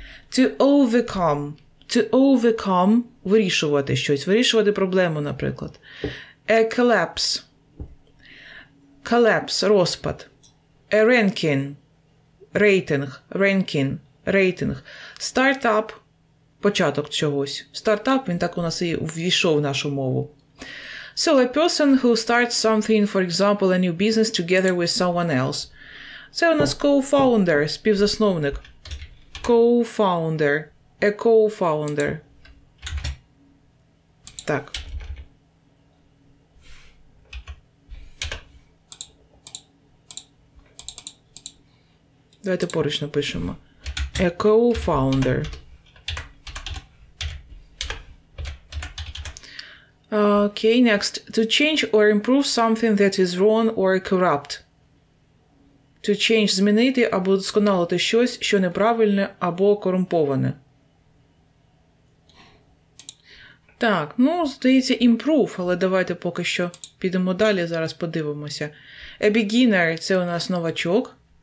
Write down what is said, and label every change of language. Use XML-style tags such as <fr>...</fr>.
<uk>To overcome – вирішувати щось, вирішувати проблему, наприклад.</uk> <en>A collapse. Collapse – розпад. A ranking. Рейтинг. Ranking. Рейтинг.</en> <uk>Стартап – початок чогось. Стартап – він так у нас і ввійшов в нашу мову.</uk> <en>So, a person who starts something, for example, a new business together with someone else.</en> <uk>Це у нас co-founder, співзасновник. Co-founder.</uk> <en>A co-founder.</en> <uk>Так. Давайте поруч напишемо. A co-founder.</uk> <en>Okay, next. To change or improve something that is wrong or corrupt.</en> <uk>To change – змінити або вдосконалити щось, що неправильне або корумповане. Так, ну, здається, improve, але давайте поки що підемо далі, зараз подивимося. A beginner – це у нас новачок.</uk>